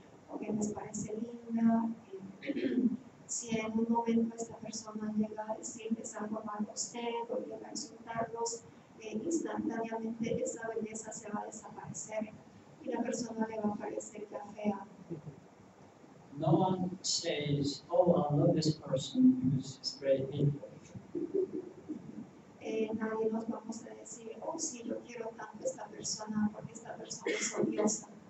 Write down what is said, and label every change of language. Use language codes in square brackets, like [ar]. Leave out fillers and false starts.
[es] O que les parece linda, si en un momento esta persona llega a decirles algo malo a usted o llega a insultarlos, instantáneamente esa belleza se va a desaparecer y la persona le va a parecer ya fea. [en] No one says, oh, I love this person because he's very beautiful. [es] Nadie nos vamos a decir, oh, sí, yo quiero tanto a esta persona porque esta persona es odiosa.